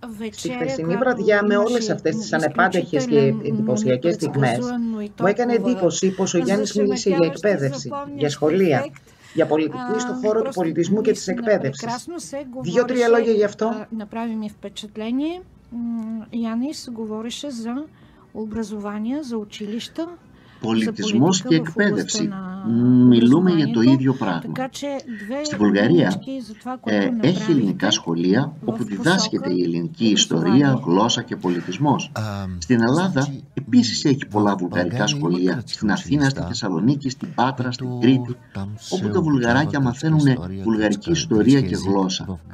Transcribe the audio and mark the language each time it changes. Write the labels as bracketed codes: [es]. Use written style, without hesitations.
[el] Στη хресени βραδιά με όλες αυτές τις ανεπάτεχες και εντυπωσιακές στιγμές, μου έκανε εντύπωση πως ο Γιάννης μίλησε για εκπαίδευση, για σχολεία, για πολιτική στο χώρο του πολιτισμού και της εκπαίδευσης. Δύο-τρία λόγια γι' αυτό. [bg] Направи ми впечатление. Γιάννης говореше за образование, за училища, [el] πολιτισμός και εκπαίδευση. Μιλούμε για το ίδιο πράγμα. Στη Βουλγαρία έχει ελληνικά σχολεία όπου διδάσκεται η ελληνική ιστορία, γλώσσα και πολιτισμός. Στην Ελλάδα επίσης έχει πολλά βουλγαρικά σχολεία, στην Αθήνα, στη Θεσσαλονίκη, στην Πάτρα, στην Κρήτη, όπου τα βουλγαράκια μαθαίνουν βουλγαρική ιστορία και γλώσσα.